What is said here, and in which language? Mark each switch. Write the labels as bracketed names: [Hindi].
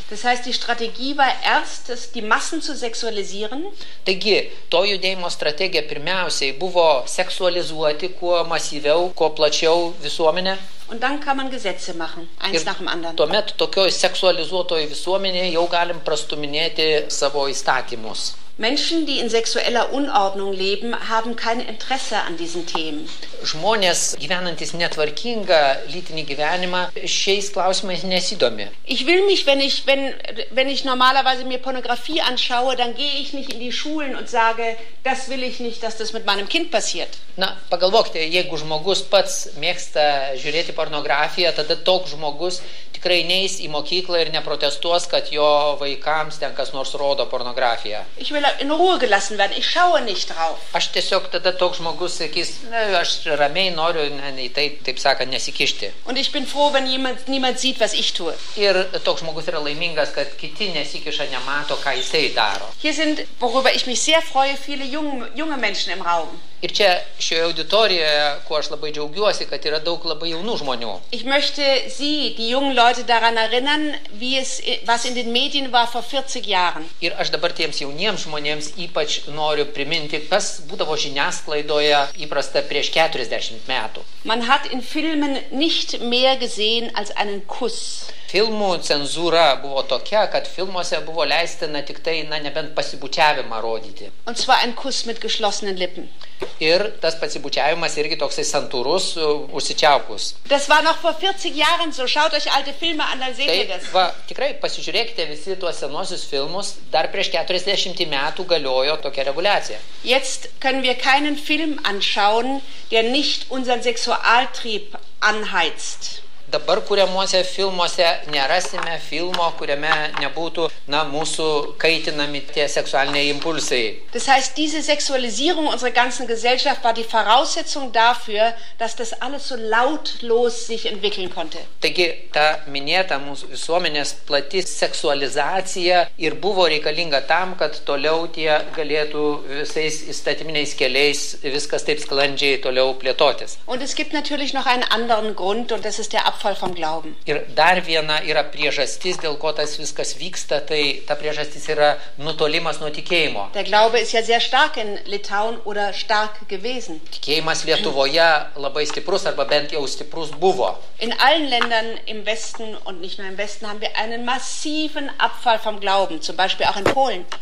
[German] Das heißt, die Strategie war erst, die Massen zu sexualisieren. [Lithuanian] Taigi, to judėjimo strategija pirmiausiai buvo seksualizuoti kuo masyviau, kuo plačiau visuomenę. [German] Und dann kann man Gesetze machen, eins nach dem anderen. [Lithuanian] Tuomet tokioj seksualizuotoj visuomenėje jau galim prastuminėti savo įstatymus. [German] Menschen, die in sexueller Unordnung leben, haben kein Interesse an diesen Themen. [Lithuanian] Žmonės, gyvenantys netvarkingą lytinį gyvenimą, šiais klausimais nesidomi. [German] Ich will mich, wenn ich normalerweise mir Pornografie anschaue, dann gehe ich nicht in die Schulen und sage, das will ich nicht, dass das mit meinem Kind passiert. [Lithuanian] Na, pagalvokite, jeigu žmogus pats mėgsta žiūrėti pornografiją, tada toks žmogus tikrai neis į mokyklą ir neprotestuos, kad jo vaikams ten kas nors rodo pornografiją. [German] Ich will in Ruhe gelassen werden, ich schaue nicht drauf. [Lithuanian] Aš tiesiog tada toks žmogus sakys, na, aš ramiai noriu į tai, taip sakant, nesikišti. [German] Und ich bin froh, wenn niemand sieht, was ich tue. [Lithuanian] Ir toks žmogus yra laimingas, kad kiti nesikiša, nemato, ką jisai daro. [German] Hier sind, worüber ich mich sehr freue, viele junge Menschen im Raum. [Lithuanian] Ir čia šioje auditorijoje, kuo aš labai džiaugiuosi, kad yra daug labai jaunų žmonių. [German] Ich möchte Sie, die jungen Leute daran erinnern, was in den Medien war vor 40 Jahren. [Lithuanian] Ir aš dabar tiems jauniems žmonėms ypač noriu priminti, kas būdavo žiniasklaidoje įprasta prieš 40 metų. [German] Man hat in Filmen nicht mehr gesehen als einen Kuss. [Lithuanian] Filmų cenzūra buvo tokia, kad filmuose buvo leistina tik tai, na, nebent pasibučiavimą rodyti. [German] Und zwar ein Kuss mit geschlossenen Lippen. [Lithuanian] Ir tas pasibučiavimas irgi toksai santūrus, užsičiaukus. [German] Das war noch vor 40 Jahren so. Schaut euch alte Filme an, dann seht ihr das. [Lithuanian] Va, tikrai, pasižiūrėkite visi tuos senosius filmus, dar prieš 40 metų galiojo tokia reguliacija. [German] Jetzt können wir keinen Film anschauen, der nicht unseren Sexualtrieb anheizt. [Lithuanian] Dabar kuriamuose filmuose nerasime filmo, kuriame nebūtų, na, mūsų kaitinami tie seksualiniai impulsai. [German] Das heißt, diese Sexualisierung unserer ganzen Gesellschaft war die Voraussetzung dafür, dass das alles so lautlos sich entwickeln konnte. [Lithuanian] Taigi, ta minėta mūsų visuomenės plati seksualizacija ir buvo reikalinga tam, kad toliau tie galėtų visais įstatyminiais keliais viskas taip sklandžiai toliau plėtotis. [German] Und es gibt natürlich noch einen anderen Grund, und das ist der Abfall vom Glauben. [Lithuanian] Ir dar viena yra priežastis, dėl ko tas viskas vyksta, tai ta priežastis yra nutolimas nuo tikėjimo. [German] Der Glaube ist ja sehr stark in Litauen oder stark gewesen. [Lithuanian] Tikėjimas Lietuvoje labai stiprus arba bent jau stiprus buvo. [German] In allen Ländern im Westen und nicht nur im Westen haben wir einen massiven Abfall vom Glauben, zum Beispiel auch in Polen.